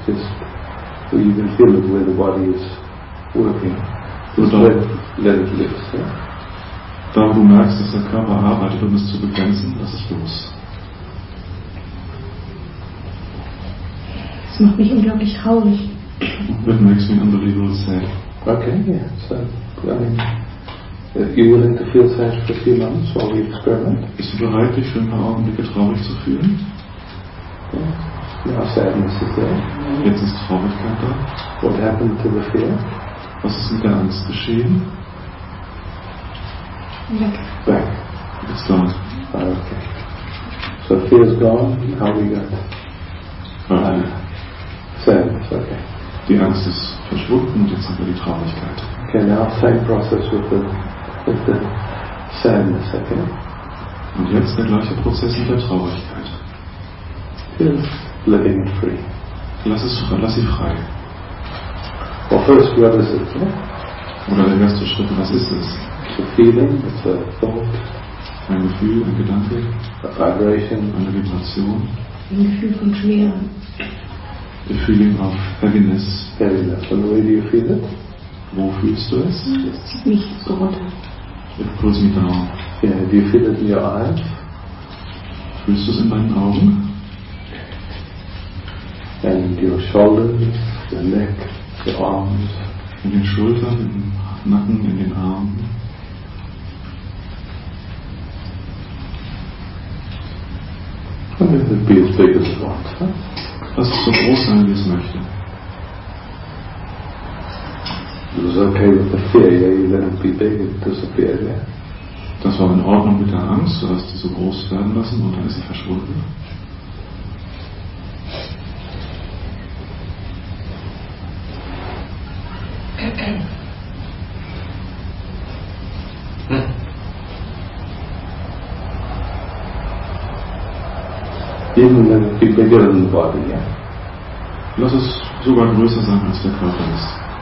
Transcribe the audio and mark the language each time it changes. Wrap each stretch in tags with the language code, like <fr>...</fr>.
<en>Just where you can feel it, where the body is working. Just let it live. Yeah?</en> <de>Da, wo du merkst, dass der Körper arbeitet, um es zu begrenzen, lass es los. Das macht mich unglaublich traurig.</de> <en>That makes me unbelievable sad. Okay, yeah. So, I mean, are you willing to feel sad for a few months while we experiment?</en> <de>Bist du bereit, dich für ein paar Augenblicke traurig zu fühlen?</de> <en>Yeah. Now sadness is there.</en> <de>Jetzt ist Traurigkeit da.</de> <en>What happened to the fear?</en> <de>Was ist mit der Angst geschehen?</de> <en>Back. It's gone. Oh, okay. So fear is gone. How we got? Sadness, okay.</en> <de>Die Angst ist verschwunden und jetzt haben wir die Traurigkeit.</de> <en>Okay, now same process with the sadness, okay?</en> <de>Und jetzt der gleiche Prozess mit der Traurigkeit.</de> <en>Is letting it free.</en> <de>Lass sie frei.</de> <en>Well, first, what is it?</en> <de>Oder der erste Schritt, was ist es?</de> <en>It's a feeling, it's a thought.</en> <de>Ein Gefühl, ein Gedanke.</de> <en>A vibration.</en> <de>Eine Vibration. Ein Gefühl von Schwere.</de> <en>The feeling of heaviness. Heaviness. And where do you feel it?</en> <de>Wo fühlst du es? Es zieht mich so runter.</de> <en>It pulls me down. Yeah, do you feel it in your eyes?</en> <de>Fühlst du es in deinen Augen?</de> <en>And your shoulders, your neck, your arms.</en> <de>In den Schultern, im Nacken, in den Armen.</de> <en>And it would be as big as it wants, huh?</en> <de>Lass es so groß sein, wie es möchte.</de> <en>It was okay with the fear, yeah, you let it be big and disappear, yeah.</en> <de>Das war in Ordnung mit der Angst, du hast sie so groß werden lassen und dann ist sie verschwunden.</de> <en>Even let it be bigger than the body, yeah.</en> <de>Lass es sogar größer sein, als der Körper ist.</de>